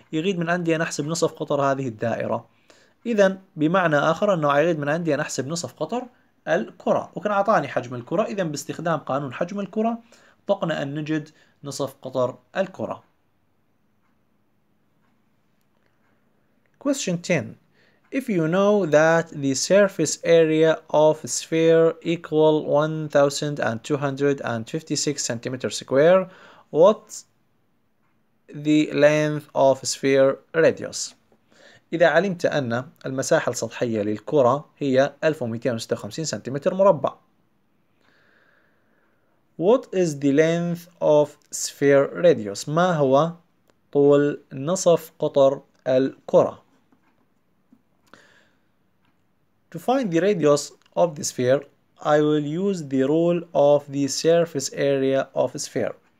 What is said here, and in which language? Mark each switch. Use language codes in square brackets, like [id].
[ar] يريد من عندي أن أحسب نصف قطر هذه الدائرة. إذا بمعنى آخر أنه يريد من عندي أن أحسب نصف قطر الكرة، وكان أعطاني حجم الكرة. إذا باستخدام قانون حجم الكرة طقنا أن نجد نصف قطر الكرة. [en] Question 10. If you know that the surface area of a sphere equal 1256 centimeters square, what the length of sphere radius? [ar] إذا علمت أن المساحة السطحية للكرة هي 1256 سنتيمتر مربع. [en] What is the length of sphere radius؟ [ar] ما هو طول نصف قطر الكرة؟ [en] To find the radius of the sphere, I will use the rule of the surface area of a sphere.